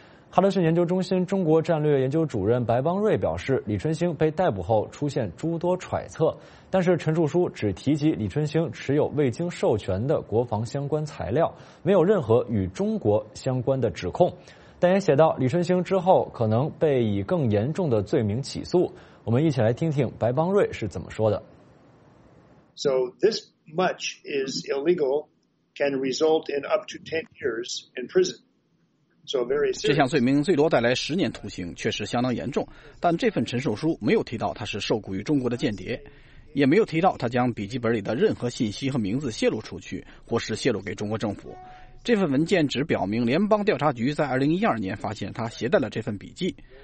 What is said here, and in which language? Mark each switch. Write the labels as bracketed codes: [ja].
[zh] 哈德逊研究中心中国战略研究主任白邦瑞表示，李春兴被逮捕后出现诸多揣测，但是陈述书只提及李春兴持有未经授权的国防相关材料，没有任何与中国相关的指控，但也写到李春兴之后可能被以更严重的罪名起诉。我们一起来听听白邦瑞是怎么说的。 [en] So this much is illegal can result in up to 10 years in prison. So very serious. [zh] 这项罪名最多带来十年徒刑，确实相当严重，但这份陈述书没有提到他是受雇于中国的间谍，也没有提到他将笔记本里的任何信息和名字泄露出去或是泄露给中国政府。这份文件只表明联邦调查局在2012年发现他携带了这份笔记。